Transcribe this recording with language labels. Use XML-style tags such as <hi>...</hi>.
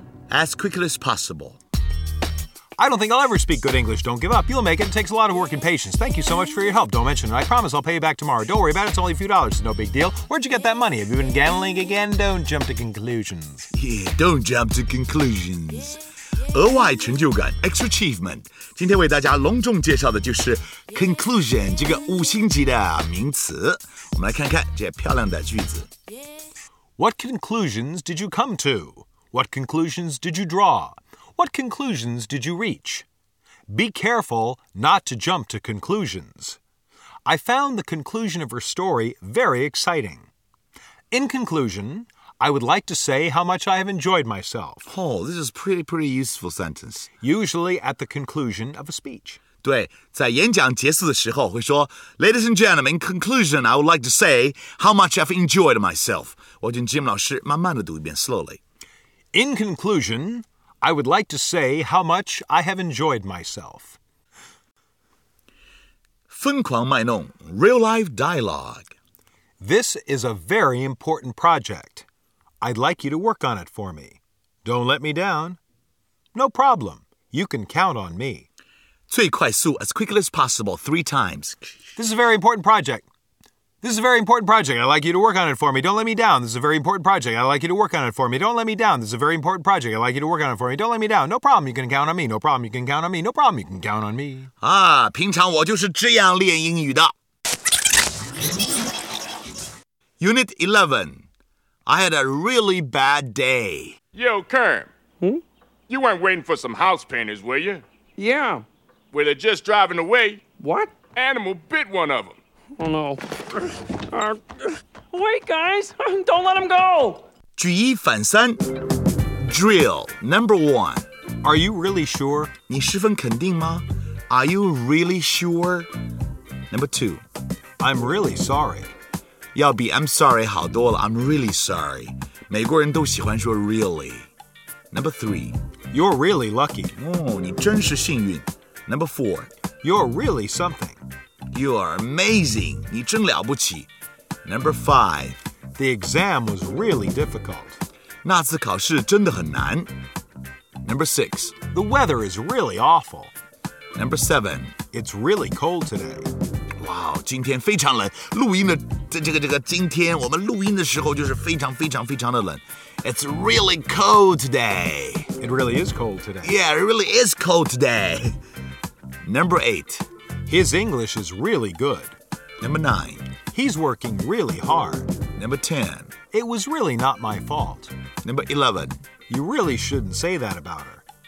<en>As quickly as possible. I don't think I'll ever speak good English. Don't give up. You'll make it. It takes a lot of work and patience. Thank you so much for your help. Don't mention it. I promise I'll pay you back tomorrow. Don't worry about it. It's only a few dollars. It's no big deal. Where'd you get that money? Have you been gambling again? Don't jump to conclusions. Yeah, don't jump to conclusions.</en> <zh>额外成就感</zh> <en>extra achievement.</en> <zh>今天为大家隆重介绍的就是 conclusion 这个五星级的名词。我们来看看这漂亮的句子。</zh> <en>What conclusions did you come to? What conclusions did you draw? What conclusions did you reach? Be careful not to jump to conclusions. I found the conclusion of her story very exciting. In conclusion, I would like to say how much I have enjoyed myself. Oh, this is a pretty useful sentence. Usually at the conclusion of a speech.</en> <zh>对，在演讲结束的时候会说</zh> <en>Ladies and gentlemen, in conclusion, I would like to say how much I've enjoyed myself.</en> <zh>我跟 Jim 老师慢慢地读一遍</zh> <en>slowly. In conclusion, I would like to say how much I have enjoyed myself.</en> <zh>疯狂卖弄</zh> <en>real-life dialogue. This is a very important project. I'd like you to work on it for me. Don't let me down. No problem. You can count on me.</en> <zh>最快速</zh> <en>as quickly as possible, three times. This is a very important project. This is a very important project. I'd like you to work on it for me. Don't let me down. This is a very important project. I'd like you to work on it for me. Don't let me down. This is a very important project. I'd like you to work on it for me. Don't let me down. No problem. You can count on me. No problem. You can count on me. No problem. You can count on me.</en> <zh>啊，平常我就是这样练英语的。</zh> <en>Unit 11. I had a really bad day. Yo, Kerm. Hmm? You weren't waiting for some house painters, were you? Yeah. Where they're just driving away. What? Animal bit one of them. Oh, no. Wait, guys. Don't let him go.</en> <zh>举一反三</zh> <en>Drill, number one. Are you really sure?</en> <zh>你十分肯定吗?</zh> <en>Are you really sure? Number two. I'm really sorry.</en> <zh>要比</zh> <en>I'm sorry</en> <zh>好多了</zh> <en>I'm really sorry.</en> <zh>美国人都喜欢说 really.</zh> <en>Number three. You're really lucky.</en> <zh>你真是幸运。</zh> <en>Number four. You're really something. You are amazing.</en> <zh>你真了不起。</zh> <en>Number five. The exam was really difficult.</en> <zh>那次考试真的很难。</zh> <en>Number six. The weather is really awful. Number seven. It's really cold today.</en> <zh>Wow, 今天非常冷。录音的今天我们录音的时候就是非常非常非常的冷。</zh> <en>It's really cold today. It really is cold today. Yeah, it really is cold today. Number eight. His English is really good. Number nine. He's working really hard. Number ten. It was really not my fault. Number 11. You really shouldn't say that about her.</en>